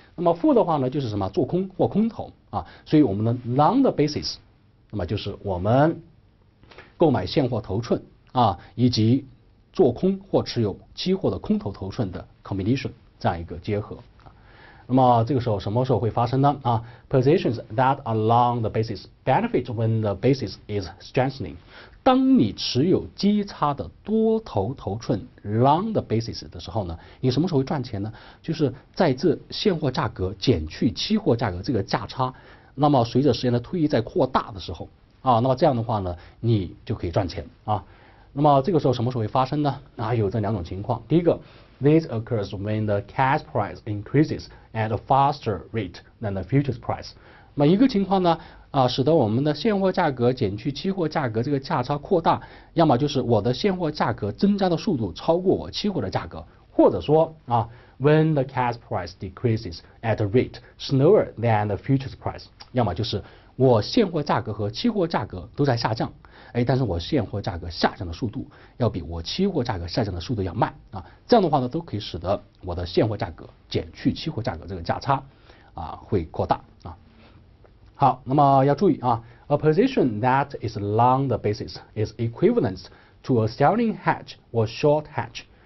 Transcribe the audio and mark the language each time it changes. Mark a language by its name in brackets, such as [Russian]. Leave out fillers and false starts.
[Chinese] 那么负的话呢，就是什么做空或空头啊。所以我们的 long 的 basis，那么就是我们购买现货头寸啊，以及做空或持有期货的空头头寸的 combination 这样一个结合。那么这个时候什么时候会发生呢？ [English] Positions that are long the basis benefit when the basis is strengthening。 [Chinese] 当你持有基差的多头头寸 long the basis 的时候呢，你什么时候会赚钱呢？就是在这现货价格减去期货价格这个价差，那么随着时间的推移在扩大的时候那么这样的话呢，你就可以赚钱啊。那么这个时候什么时候会发生呢？有这两种情况。第一个。 [English] This occurs when the cash price increases at a faster rate than the futures price。 [Chinese] 那么一个情况呢，使得我们的现货价格减去期货价格这个价差扩大，要么就是我的现货价格增加的速度超过我期货的价格，或者说 when the cash price decreases at a rate slower than the futures price，要么就是我现货价格和期货价格都在下降。但是我现货价格下降的速度要比我期货价格下降的速度要慢啊，这样的话呢，都可以使得我的现货价格减去期货价格这个价差会扩大啊。 [English] 好，那么要注意啊， a position that is long the basis is equivalent to a selling hedge or short hedge。